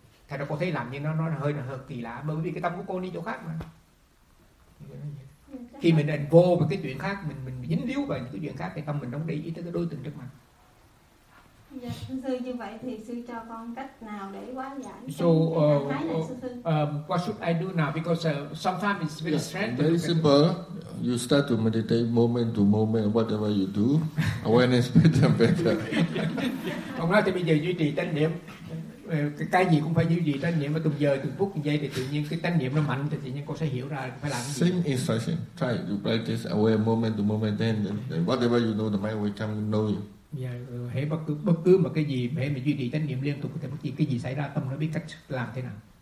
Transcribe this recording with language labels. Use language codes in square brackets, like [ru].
[vi] Thật ra cô thấy làm như nó hơi kỳ lạ, bởi vì cái tâm của cô đi chỗ khác mà. Khi mình ảnh vô vào cái chuyện khác, mình dính líu vào những cái chuyện khác thì tâm mình không đi ý tới cái đối tượng trước mặt. Dạ, sư như vậy thì sư cho con cách nào để quá giải? [en] So, what should I do now? Because sometimes it's very strange. Very simple. You start to meditate moment to moment, whatever you do. Awareness better and better. [vi] Ông nói thì bây giờ duy trì tánh niệm. cái gì cũng phải giữ gì tánh niệm, mà từng giờ từng phút từng giây thì tự nhiên cái tánh niệm nó mạnh, thì tự nhiên con sẽ hiểu ra phải làm cái gì. [en] Same instruction, try to practice aware moment to moment, then whatever you know, the mind will come and know you. [vi] Yeah, hãy bất cứ mà cái gì hãy mà duy trì tánh niệm liên tục, thì bất kỳ cái gì xảy ra tâm nó biết cách làm thế nào.